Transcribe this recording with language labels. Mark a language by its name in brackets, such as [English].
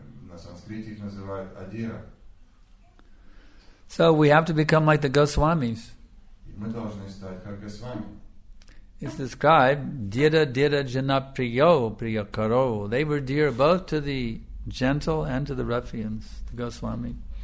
[Russian] На санскрите их называют Адира. [English] So we have to become like the Goswamis. [Russian] Мы должны стать как Госвами. [English] It's described [Sanskrit] Dira Dira Janapriyo Priyakaro. [English] They were dear both to the gentle and to the ruffians, the Goswami.